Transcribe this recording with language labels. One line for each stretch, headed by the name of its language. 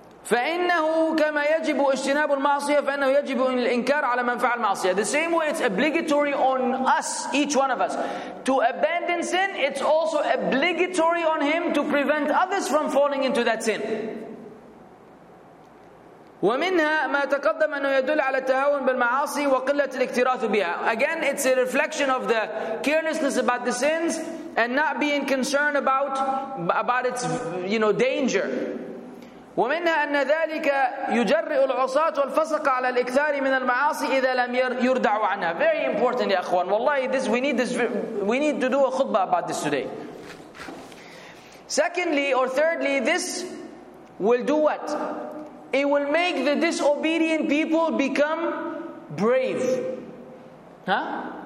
Arabic: فَإِنَّهُ كَمَا يَجِبُ اجْتِنَابُ الْمَعْصِيَةِ فَإِنَّهُ يَجِبُ الْإِنْكَارُ عَلَى مَنْ فَعَلَ الْمَعْصِيَةِ.
English: The same way it's obligatory on us, each one of us, to abandon sin, it's also obligatory on him to prevent others from falling into that sin.
Arabic: ومنها ما تقدم أنه يدل على التهاون بالمعاصي وقلة الاكتراث بها.
English: Again, it's a reflection of the carelessness about the sins and not being concerned about its, you know, danger.
Arabic: ومنها أن ذلك يجرئ العصاة والفسق على الإكثار من المعاصي إذا لم يردعوا عنها.
English: Very important,
Arabic: يا أخوان. والله,
English: this we need to do a khutbah about this today. Secondly or thirdly, this will do what? It will make the disobedient people become brave. Huh?